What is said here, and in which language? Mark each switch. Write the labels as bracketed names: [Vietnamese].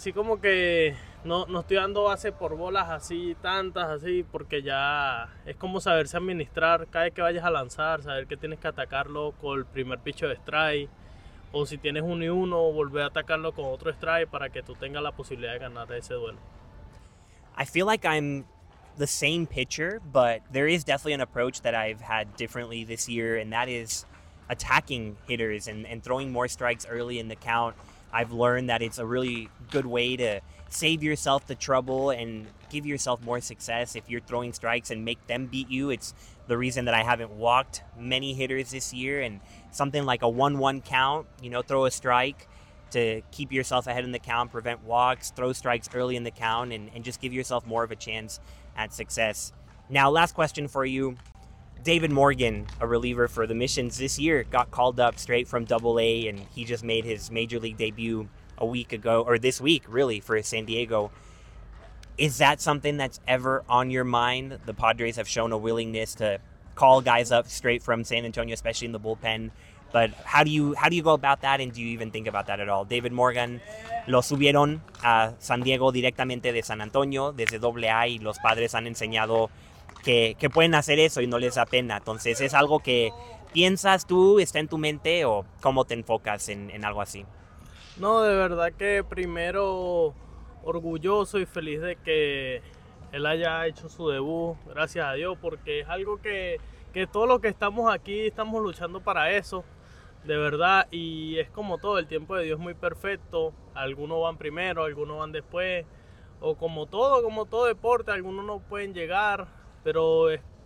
[Spanish] Así como que no estoy dando base por bolas así tantas, así, porque ya es como saberse administrar cada vez que vayas a lanzar, saber que tienes que atacarlo con el primer picho de strike, o si tienes 1-1, volver a atacarlo con otro strike para que tú tengas la posibilidad de ganar ese duelo. [English] I feel like I'm the same pitcher, but there is definitely an approach that I've had differently this year, and that is attacking hitters and throwing more strikes early in the count. I've learned that it's a really good way to save yourself the trouble and give yourself more success if you're throwing strikes and make them beat you. It's the reason that I haven't walked many hitters this year, and something like a 1-1 count, you know, throw a strike to keep yourself ahead in the count, prevent walks, throw strikes early in the count, and just give yourself more of a chance at success. Now, last question for you. David Morgan, a reliever for the Missions this year, got called up straight from Double A, and he just made his major league debut a week ago, or this week, really, for San Diego. Is that something that's ever on your mind? The Padres have shown a willingness to call guys up straight from San Antonio, especially in the bullpen. But how do you go about that, and do you even think about that at all? [Spanish] David Morgan, lo subieron a San Diego directamente de San Antonio, desde Double A, y los Padres han enseñado que pueden hacer eso y no les da pena. Entonces, ¿es algo que piensas tú, está en tu mente, o cómo te enfocas en algo así? No, de verdad que primero, orgulloso y feliz de que él haya hecho su debut, gracias a Dios, porque es algo que todos los que estamos aquí estamos luchando para eso, de verdad, y es como todo, el tiempo de Dios es muy perfecto, algunos van primero, algunos van después, o como todo deporte, algunos no pueden llegar, pero de